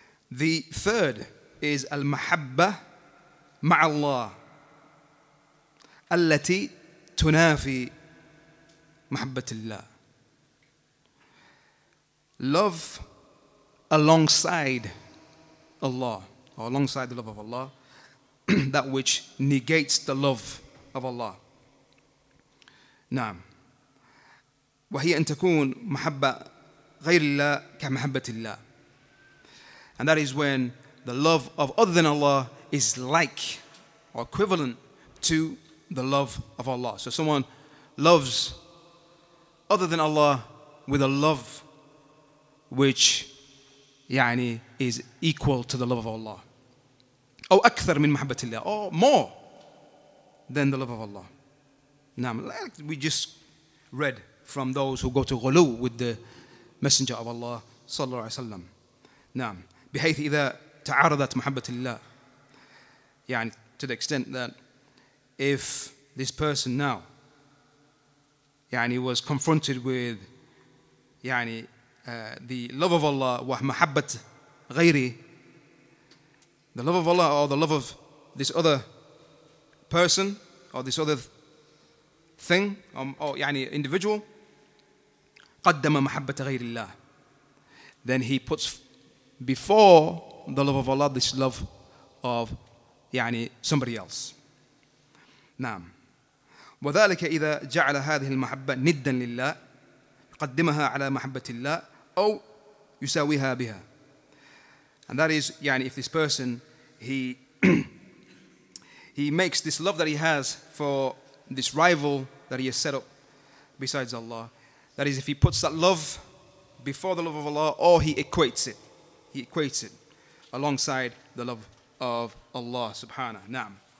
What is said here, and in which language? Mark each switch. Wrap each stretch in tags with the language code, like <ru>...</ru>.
<en>The third is Al-Muhabba ma'allah, allati tunafi muhabbatillah. Love alongside Allah, or alongside the love of Allah, that which negates the love of Allah. Naam.</en> <ar>وهي أن تكون محبة غير الله كمحبة الله.</ar> <en>And that is when the love of other than Allah is like or equivalent to the love of Allah. So someone loves other than Allah with a love which يعني is equal to the love of Allah.</en> <ar>أو أكثر من محبة الله.</ar> <en>Or more than the love of Allah. Naam, like we just read from those who go to ghulu with the Messenger of Allah صلى الله عليه وسلم. Naam.</en> <ar>بحيث إذا تعارضت محبة الله.</ar> <en>يعني to the extent that if this person now يعني was confronted with يعني the love of Allah</en> <ar>ومحبة غيري,</ar> <en>the love of Allah or the love of this other person or this other thing or يعني individual,</en> <ar>قدم محبة غير الله,</ar> <en>then he puts before the love of Allah this love of يعني somebody else. نعم.</en> <ar>وذلك إذا جعل هذه المحبة ندا لله قدمها على محبة الله أو يساويها بها.</ar> <en>And that is يعني if this person he he makes this love that he has for this rival that he has set up besides Allah, that is, if he puts that love before the love of Allah, or he equates it alongside the love of Allah subhanahu wa ta'ala.</en>